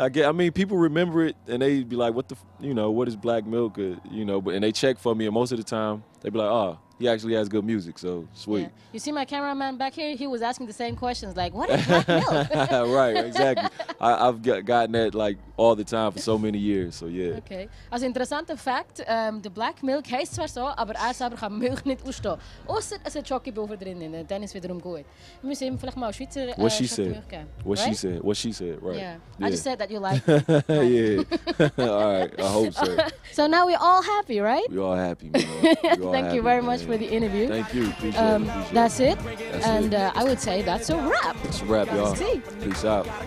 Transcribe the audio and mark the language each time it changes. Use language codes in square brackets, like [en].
[en] I mean, people remember it and they be like, what the, you know, what is Black Milk? You know, but and they check for me, and most of the time, they be like, oh, he actually has good music, so sweet. Yeah. You see my cameraman back here? He was asking the same questions, like, what is Black Milk? Right, exactly. I've gotten that, like, all the time for so many years, so yeah. Okay. [de] Also, interessante [en] fact, the [de] Black Milk heißt zwar so, aber er selber kann Milch nicht ausstehen. Außer es hat Schokibuffer drin, und dann ist wiederum gut. Wir müssen ihm vielleicht mal Schweizer Schokibuffer geben. [en] What she said, right. Yeah. I just said that you like it. Yeah. All right, I hope so. So now we're all happy, right? We're all happy, man. All thank happy, you very man. Much for the interview. Thank you. Appreciate it. That's it. And I would say that's a wrap. It's a wrap, y'all. See. Peace out.